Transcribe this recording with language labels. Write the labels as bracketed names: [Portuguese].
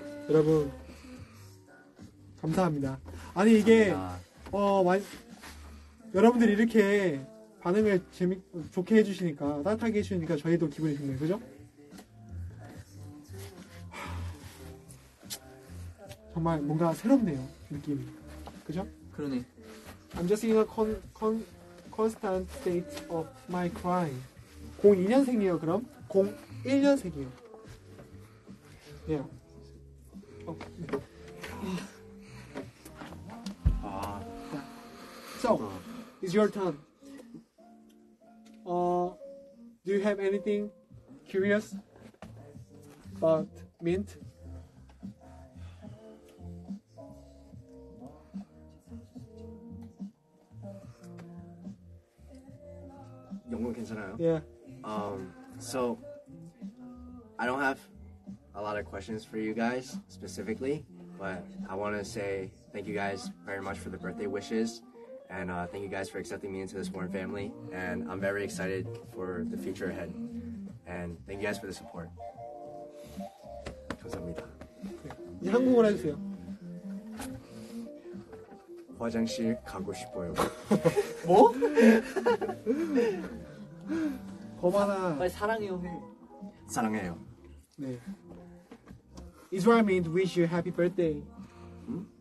[Korean] 여러분 감사합니다. 아니 이게 여러분들이 이렇게 반응을 좋게 해주시니까, 따뜻하게 해주시니까 저희도 기분이 좋네요. 그죠? 정말 뭔가 새롭네요, 느낌이. 그죠? 그러네. [English] I'm just in a constant state of my crying. [Korean] 02년생이에요, 그럼? 01년생이에요. [English] Yeah. Oh. So, it's your turn. Do you have anything curious about Mint? [Korean] 영어 괜찮아요? [English] Yeah. So I don't have a lot of questions for you guys specifically, but I want to say thank you guys very much for the birthday wishes, and thank you guys for accepting me into this warm family, and I'm very excited for the future ahead, and thank you guys for the support. [Korean] 감사합니다. 이제 한국어로 해주세요. 화장실 가고 싶어요. 뭐? 거만아. 빨리 사랑해요. 사랑해요. 네. [English] Israel Mint wish you happy birthday. 음?